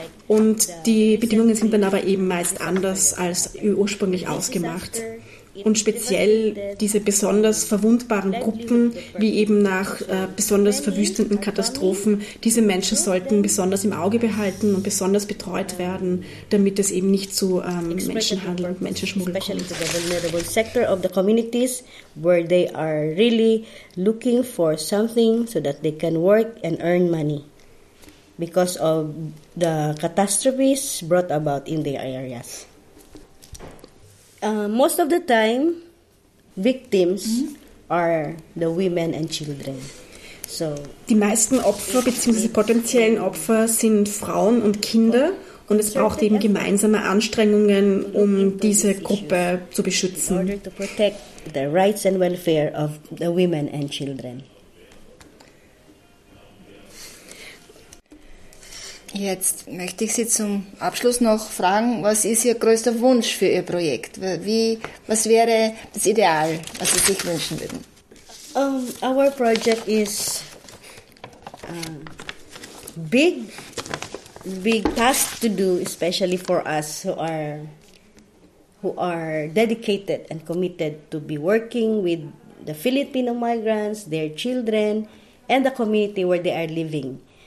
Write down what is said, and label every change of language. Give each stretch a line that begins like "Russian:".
German: Und die Bedingungen sind dann aber eben meist anders als ursprünglich ausgemacht. und speziell diese besonders verwundbaren Gruppen, wie eben nach besonders verwüstenden Katastrophen, diese Menschen sollten besonders im Auge behalten und besonders betreut werden, damit es eben nicht zu Menschenhandel und Menschenschmuggel kommt.
English: Especially to the vulnerable sector of the communities, where they are really looking for something so that they can work and earn money. Because of the catastrophes brought about in the areas. Most of the time, victims are the women and children.
German: So die meisten Opfer bzw. potenziellen Opfer sind Frauen und Kinder, und es braucht eben gemeinsame Anstrengungen, um diese Gruppe zu beschützen.
English: In order to protect the rights and welfare of the women and children.
German: Jetzt möchte ich Sie zum Abschluss noch fragen, was ist Ihr größter Wunsch für Ihr Projekt? Was wäre das Ideal, was Sie sich wünschen würden?
English: Our project is big, big task to do, especially for us who are dedicated and committed to be working with the Filipino migrants, their children, and the community where they are living.